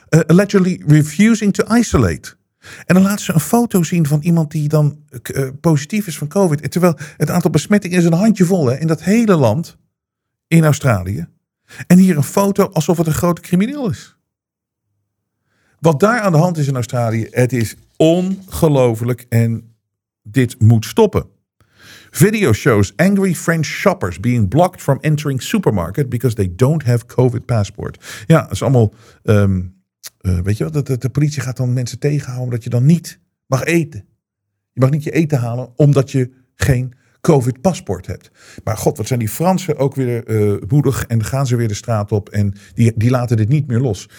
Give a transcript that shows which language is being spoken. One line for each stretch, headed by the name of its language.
English: Allegedly refusing to isolate.
Dutch: En dan laten ze een foto zien van iemand die dan positief is van COVID. Terwijl het aantal besmettingen is een handjevol, hè, in dat hele land in Australië. En hier een foto alsof het een grote crimineel is. Wat daar aan de hand is in Australië, het is ongelooflijk en dit moet stoppen.
English: Video shows angry French shoppers being blocked from entering supermarket because they don't have COVID passport.
Dutch: Ja, dat is allemaal, weet je wat, de politie gaat dan mensen tegenhouden omdat je dan niet mag eten. Je mag niet je eten halen omdat je geen COVID paspoort hebt. Maar god, wat zijn die Fransen ook weer moedig en gaan ze weer de straat op en die laten dit niet meer los.